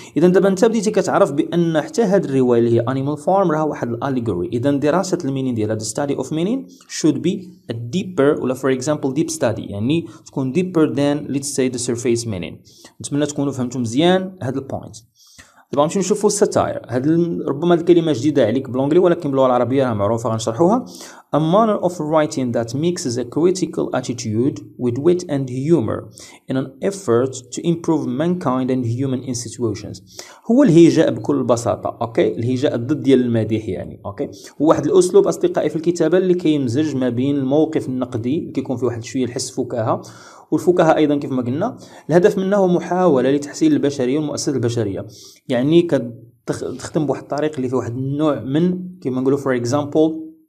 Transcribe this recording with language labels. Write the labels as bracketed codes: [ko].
[ar] اذا دابا انت بديتي كتعرف بان حتى هاد الروايه اللي هي انيمال فارم راه واحد الاليجوري، اذا دراسة المينين ديال هذا [en] study of meaning should be a deeper [ar] ولا [en] for example deep study، [ar] يعني تكون [en] deeper than let's say the surface meaning. [ar] نتمنى تكونوا فهمتوا مزيان هذا البوينت. دابا غنمشيو نشوفو الساتاير. هاد ربما هاد الكلمه جديده عليك بالانجلي ولكن باللغه العربيه راه معروفه غنشرحوها. [en] A manner of writing that mixes a critical attitude with wit and humor in an effort to improve mankind and human institutions. [ar] هو الهجاء بكل بساطه، اوكي، الهجاء ضد ديال المديح يعني، اوكي، هو واحد الاسلوب اصدقائي في الكتابه اللي كيمزج ما بين الموقف النقدي اللي كيكون فيه واحد شويه الحس فكاهه، والفكاهة أيضا كيف ما قلنا الهدف منه محاولة لتحسين البشرية والمؤسسة البشرية، يعني كتختم بواحد الطريق اللي فيه واحد النوع من كيف ما نقوله [en] for example